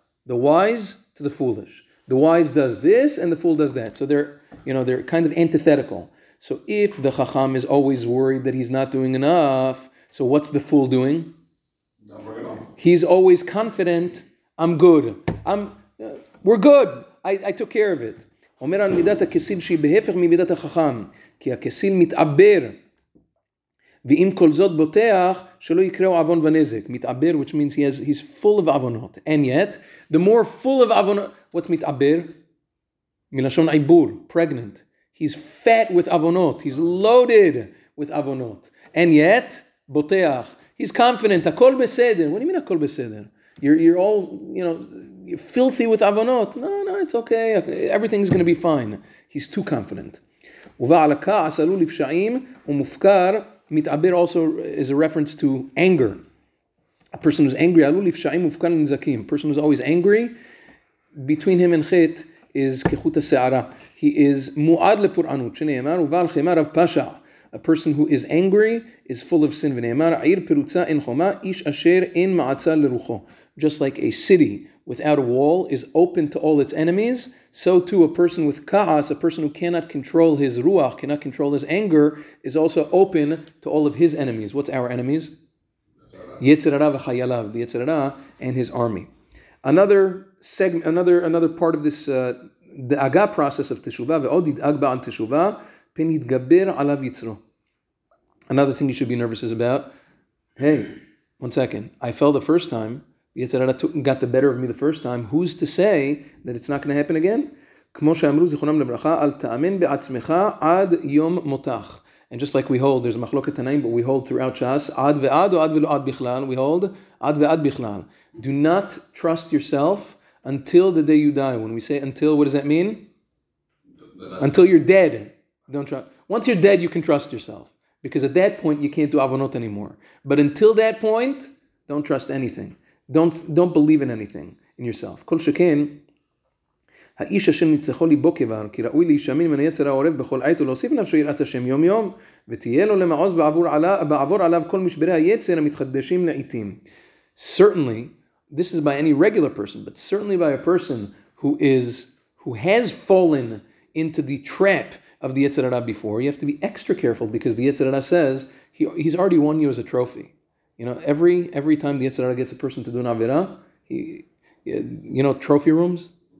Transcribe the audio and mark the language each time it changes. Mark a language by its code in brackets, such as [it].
[en] The wise to the foolish. The wise does this and the fool does that. So they're kind of antithetical. So if the Chacham is always worried that he's not doing enough, so what's the fool doing? Not working on. he's always confident, I'm good. We're good. I took care of it. [he] אומר על מידת הכסיל שהיא בהפך ממידת החכם, כי הכסיל מתעבר. ואם כל זאת בוטח, שלא יקראו אבון ונזק. [en] מתעבר, which means he's full of אבונות. And yet, the more full of אבונות, what's מתעבר? [he] מלשון עיבור, pregnant. [en] He's fat with אבונות. He's loaded with אבונות. And yet, בוטח. He's confident. [he] הכל בסדר. [en] What do you mean [he] הכל בסדר? [en] You're all, you know, you're filthy with אבונות. No, it's okay. Everything's going to be fine. He's too confident. [he] ובעל הכעס עלול לפשעים ומופקר. [en] מתעבר also is a reference to anger. A person who's angry, [he] עלול לפשעים ומופקר לנזקים. [en] A person who's always angry, between him and chit is [he] כחוט השערה. [en] He is [he] מועד לפורענות. שנאמר, ובעל חמה רב פשע. [en] A person who is angry is full of sin. [he] ונאמר, עיר פרוצה אין חומה, איש אשר אין מעצה לרוחו. [en] Just like a city without a wall is open to all its enemies, so too a person with ka'as, a person who cannot control his ruach, cannot control his anger, is also open to all of his enemies. What's our enemies? Yetzirara v'chayalav, the Yetzirara and his army. Another segment, another part of this, the aga process of teshuvah, [he] ve'od yidag ba'an teshuvah, pen yidgaber alav yitzro. [en] Another thing you should be nervous is about, hey, one second, I fell the first time, Yetzirara got the better of me the first time. Who's to say that it's not going to happen again? [he] כמו שאמרו זיכרונם לברכה, אל תאמן בעצמך עד יום מותח. [en] And just like we hold, there's a [he] מחלוקת תנאים, [en] but we hold throughout Shas, [he] עד ועד או עד ולא עד בכלל, [en] we hold [he] עד ועד בכלל. [en] Do not trust yourself until the day you die. When we say until, what does that mean? Until you're dead. Don't trust. Once you're dead, you can trust yourself. Because at that point, you can't do avonot anymore. But until that point, don't trust anything. Don't believe in anything in yourself. [he] כל שכן, האיש אשר ניצחו ליבו כבר, כי ראוי להישמין מן היצר העורב בכל עת, ולהוסיף נפשו יראת השם יום יום, ותהיה לו למעוז בעבור עליו כל משברי היצר המתחדשים לעיתים. [en] Certainly, this is by any regular person, but certainly by a person who has fallen into the trap of the Yetzer Hara before, you have to be extra careful because the Yetzer Hara says he's already won you as a trophy. You know, every time the Yetzer Hara gets a person to do an avira, you know, trophy rooms.